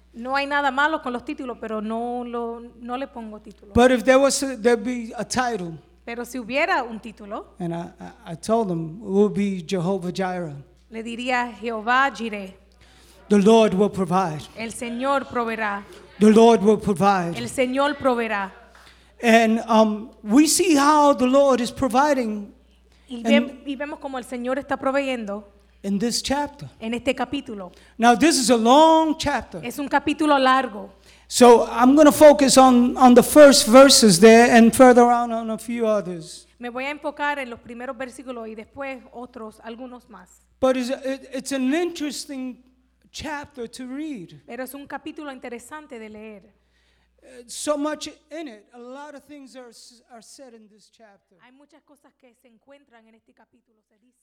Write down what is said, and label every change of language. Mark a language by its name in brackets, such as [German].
[Spanish] No hay nada malo con los títulos, pero no le pongo título. [English] But if there'd be a title. [Spanish] Pero si hubiera un título. [English] And I told them, it would be Jehovah Jireh. [Spanish] Le diría Jehová Jireh. [English] The Lord will provide. [Spanish] El Señor proveerá. [English] The Lord will provide. [Spanish] El Señor proveerá. [English] And we see how the Lord is providing. [Spanish] Y vemos como el Señor está proveyendo. [English] In this chapter. [Spanish] En este capítulo. [English] Now this is a long chapter. [Spanish] Es un capítulo largo. [English] So I'm going to focus on the first verses there and further on a few others. [Spanish] Me voy a enfocar en los primeros versículos y después otros, algunos más. [English] But it's an interesting chapter to read. [Spanish] Pero es un capítulo interesante de leer. [English] So much in it. A lot of things are said in this chapter. [Spanish] Hay muchas cosas que se encuentran en este capítulo, se dice.